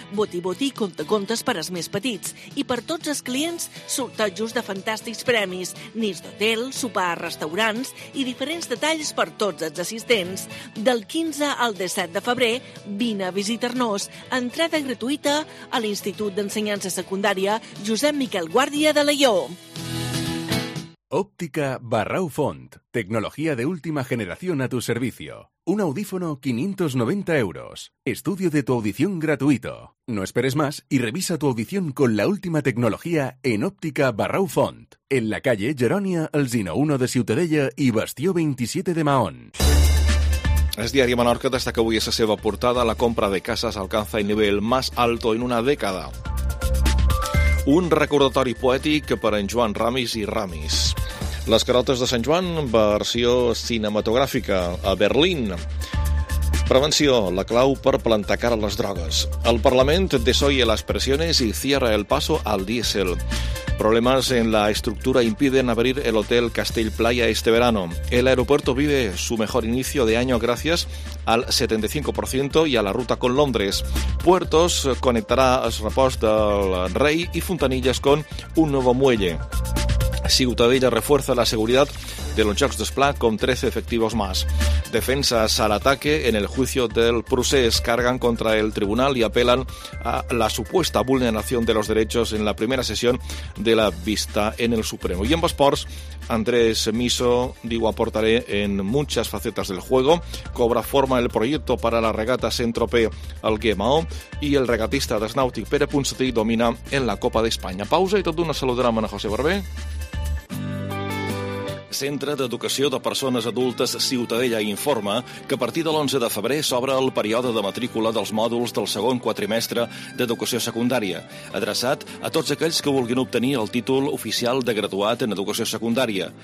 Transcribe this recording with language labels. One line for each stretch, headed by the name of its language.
Catalan: Botí, contacontes per als més petits. I per tots els clients, sortejos de fantàstics premis, nits d'hotel, sopar, restaurants i diferents detalls per tots els assistents. Del 15 al 17 de febrer, vine a visitar-nos. Entrada gratuïta a l'Institut d'Ensenyança Secundària Josep Miquel Guàrdia de l'Alló.
Spanish: Óptica Barrau Font. Tecnología de última generación a tu servicio. Un audífono 590 euros. Estudio de tu audición gratuito. No esperes más y revisa tu audición con la última tecnología en Óptica Barrau Font. En la calle Jerònia, Alzino 1 de Ciutadella y Bastió 27 de Mahón.
Catalan: El diari Menorca destaca avui a la seva portada:
Spanish: la compra de casas alcanza el nivel más alto en una década.
Catalan: Un recordatori poètic per en Joan Ramis i Ramis. Les carotes de Sant Joan, versió cinematogràfica, a Berlín. Prevenció, la clau per plantar cara a les drogues.
Spanish: El Parlament desoye las presiones y cierra el paso al diésel. Problemas en la estructura impiden abrir el Hotel Castell Playa este verano. El aeropuerto vive su mejor inicio de año gracias al 75% y a la ruta con Londres. Puertos conectará el repost del Rey y Fontanillas con un nuevo muelle. Ciutadella refuerza la seguridad de los Jocs d'Esplà con 13 efectivos más. Defensas al ataque en el juicio del Procés cargan contra el tribunal y apelan a la supuesta vulneración de los derechos en la primera sesión de la vista en el Supremo. Y en Basports, Andrés Miso, digo, aportaré en muchas facetas del juego. Cobra forma el proyecto para la regata Saint-Tropez al Guemao y el regatista de Snautic Pere Ponsatí domina en la Copa de España. Pausa y todo un saludo a Manuel José Barber.
Catalan: Centre d'Educació de Persones Adultes Ciutadella informa que a partir de l'11 de febrer s'obre el període de matrícula dels mòduls del segon quatrimestre d'Educació Secundària, adreçat a tots aquells que vulguin obtenir el títol oficial de graduat en Educació Secundària.